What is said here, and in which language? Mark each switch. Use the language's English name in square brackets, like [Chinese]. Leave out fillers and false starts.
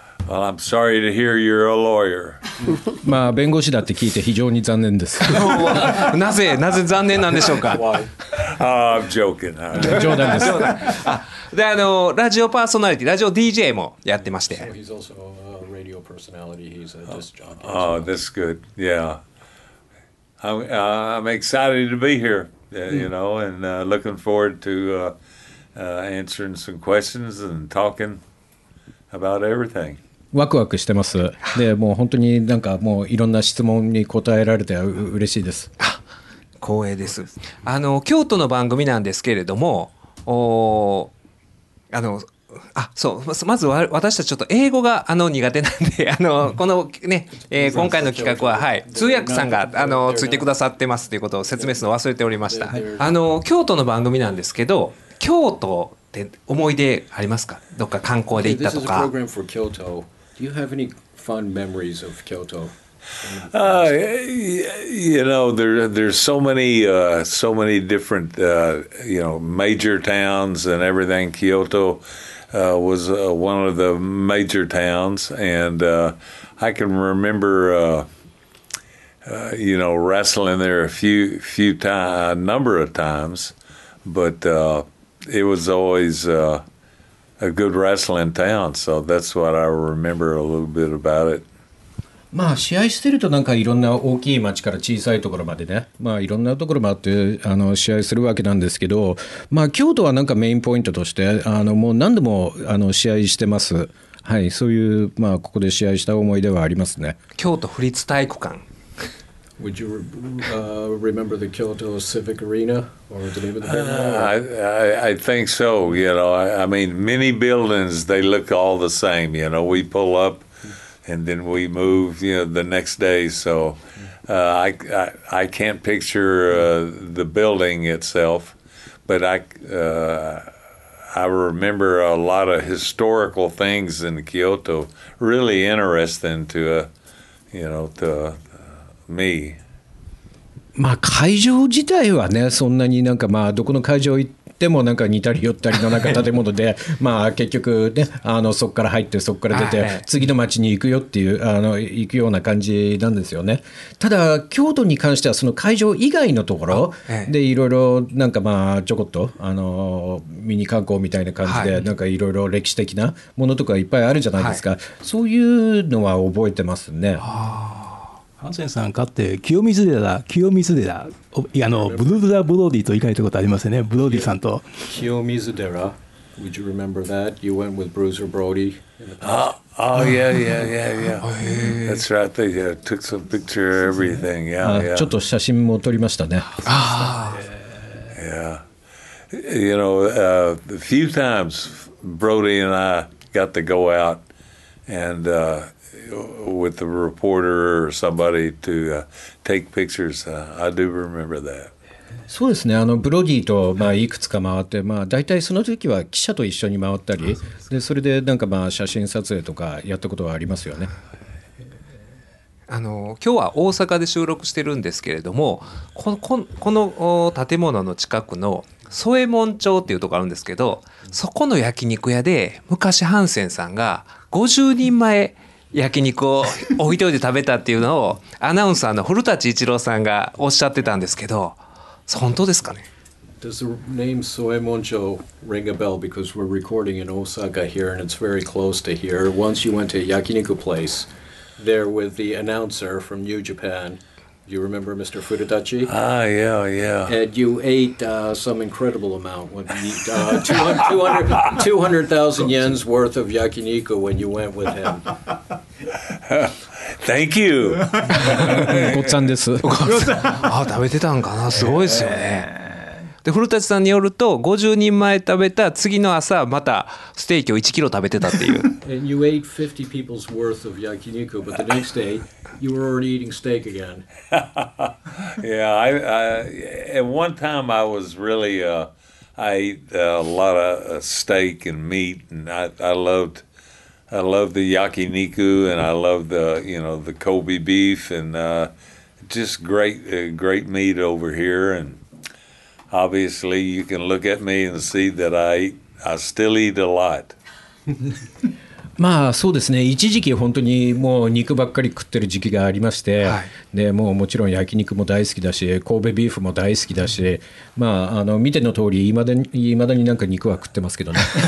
[English] Oh, well, I'm sorry to hear you're a lawyer. [Japanese] まあ弁護士だって聞いて非常に残念ですなぜ残念なんでしょうか。 [English] I'm joking. [Japanese] 冗談です。冗談。で、ラジオパーソナリティ、ラジオ DJ もやってまして、 [English] So he's also a radio personality. He's a disc jockey. Oh, that's good. Yeah. I'm excited to be here, you know, and looking forward to answering some questions and talking about everything. [Japanese] ワクワクしてます。で、もう本当になんかもういろんな質問に答えられて嬉しいです。光栄です。京都の番組なんですけれども、そう、まず私たちちょっと英語が苦手なんで、このね、今回の企画は、はい、通訳さんがついてくださってますということを説明するの忘れておりました。京都の番組なんですけど、京都って思い出ありますか？どっか観光で行ったとか。 [English] This is a program for Kyoto. Do you have any fun memories of Kyoto? You know, there's so many different you know, major towns and everything. Kyoto was one of the major towns, and I can remember you know, wrestling there a number of times, but it was always a good wrestling town, so that's what I remember a little bit about it. [Japanese] まあ試合してるとなんかいろんな大きい町から小さいところまでね、まあいろんなところもあって試合するわけなんですけど、まあ京都はなんかメインポイントとしてもう何度も試合してます。はい、そういうまあここで試合した思い出はありますね。京都府立体育館。 [English] Would you remember the Kyoto Civic Arena or the name of the building? I think so. You know, I mean, many buildings, they look all the same. You know, we pull upAnd then we move, you know, the next day. So I can't picture the building itself, but I remember a lot of historical things in Kyoto, really interesting to, to me. [Japanese] まあ会場自体はね、そんなになんかまあどこの会場行ってってもなんか似たり寄ったりのなんか建物で、まあ結局ね、あのそこから入ってそこから出て次の町に行くよっていう、あの行くような感じなんですよね。ただ京都に関してはその会場以外のところでいろいろなんかまあちょこっとあのミニ観光みたいな感じでなんかいろいろ歴史的なものとかいっぱいあるじゃないですか、はい、そういうのは覚えてますね。ハンセンさんかって清水寺だ清水寺、いやあのブルーザブローディーと言いかれたことありますよね、ブローディーさんと [English] 清水寺。Would you remember that? You went with Bruiser Brody. That's right, they took some picture of everything. Yeah, yeah. [Japanese] ちょっと写真も撮りましたね。 [English] Yeah. You know, a few times Brody and I got to go out andwith the reporter or somebody to take pictures. I do remember that. [Japanese] そうですね、あのブロディと、まあ、いくつか回って、まあ、大体その時は記者と一緒に回ったり、でそれでなんか、まあ、写真撮影とかやったことはありますよね。あの今日は大阪で収録してるんですけれども、この建物の近くの添右衛門町っていうところあるんですけど、そこの焼肉屋で昔ハンセンさんが50人前、うん、焼肉をお一人で食べたっていうのをアナウンサーの古舘一郎さんがおっしゃってたんですけど、本当ですかね。 [English] Does the name Soemonjo ring a bell? Because we're recording in Osaka here and it's very close to here. Once you went to a yakiniku place there with the announcer from New Japan, you remember Mr. Furutachi? Ah, yeah, yeah. And you ate some incredible amount, 200,000 yens worth of yakiniku when you went with him. Thank you. [Japanese] ごっさんです。あ、食べてたんかな。すごいですよね。で、古舘さんによると、50人前食べた次の朝、またステーキを1キロ食べてたっていう。 [English] And you ate 50 people's worth of yakiniku, but the next day, you were already eating steak again. Yeah, at one time I was really, I ate a lot of steak and meat, and I loved the yakiniku, and I loved the, you know, the Kobe beef, and just great meat over here, and obviously, you can look at me and see that I still eat a lot. [Japanese] まあそうですね、一時期本当にもう肉ばっかり食ってる時期がありまして、はい、でもうもちろん焼肉も大好きだし、神戸ビーフも大好きだし、まあ、あの見ての通り未だに何か肉は食ってますけどね。